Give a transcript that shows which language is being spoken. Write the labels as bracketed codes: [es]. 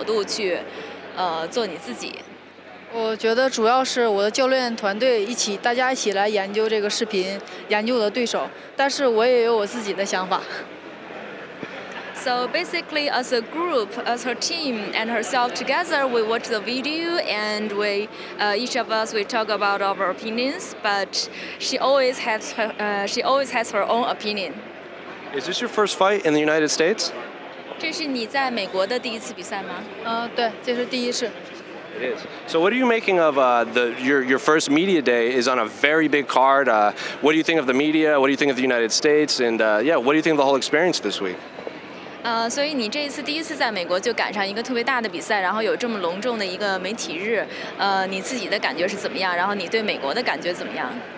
[zh] 那你在比赛前一般怎么研究对手？比如说你自己去看视频，或者是你的教练看视频，还是你尽可能的只是从自己的角度去做你自己？我觉得主要是我的教练团队一起，大家一起来研究这个视频，研究我的对手。但是我也有我自己的想法。 [en] So basically, as a group, as her team and herself together, we watch the video and we, each of us, we talk about our opinions. But she always has her own opinion. Is this your first fight in the United States? [zh] 这是你在美国的第一次比赛吗？对，这是第一次。 [en] It is. So what are you making of your first media day is on a very big card. What do you think of the media? What do you think of the United States? And what do you think of the whole experience this week? [zh] 所以你这一次第一次在美国就赶上一个特别大的比赛，然后有这么隆重的一个媒体日，你自己的感觉是怎么样？然后你对美国的感觉怎么样？